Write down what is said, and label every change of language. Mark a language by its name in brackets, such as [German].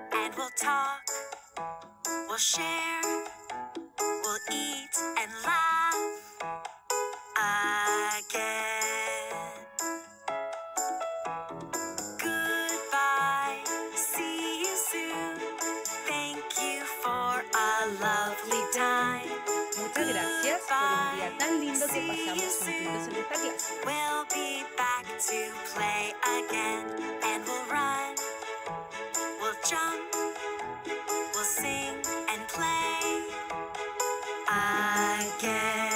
[English] And we'll talk, we'll share, we'll eat and laugh. Again. Goodbye, see you soon. Thank you for a lovely time. [Spanish] Muchas gracias por un día tan lindo que pasamos juntos en esta clase. [English] We'll be back to play again. And we'll run, we'll jump, we'll sing and play again.